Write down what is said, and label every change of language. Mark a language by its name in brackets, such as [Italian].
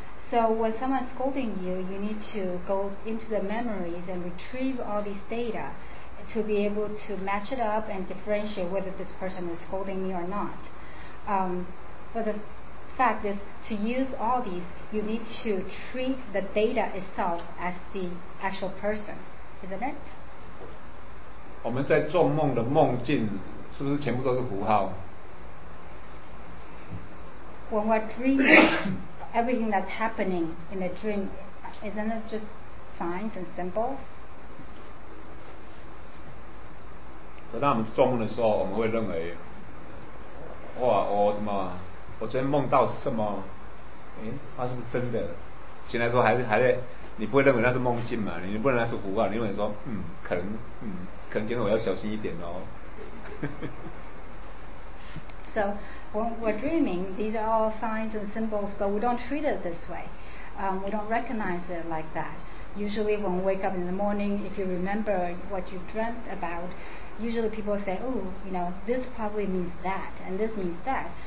[English] So when someone is scolding you, you need to go into the memories and retrieve all these data to be able to match it up and differentiate whether this person is scolding me or not. But the fact is, to use all these, you need to treat the data itself as the actual person, isn't it? [Chinese] 我们在做梦的梦境是不是全部都是符号？ [English] When we're dreaming, everything that's happening in the dream, isn't it just signs and symbols? [Chinese] 可当我们做梦的时候，我们会认为，哇，我怎么，我昨天梦到什么？哎，它是不是真的？醒来说还在，你不会认为那是梦境嘛？你不能那是符号，你认为说，可能，可能今天我要小心一点哦。 [English] So when we're dreaming, these are all signs and symbols, but we don't treat it this way. We don't recognize it like that. Usually, when we wake up in the morning, if you remember what you dreamt about, usually people say, "Oh, you know, this probably means that, and this means that."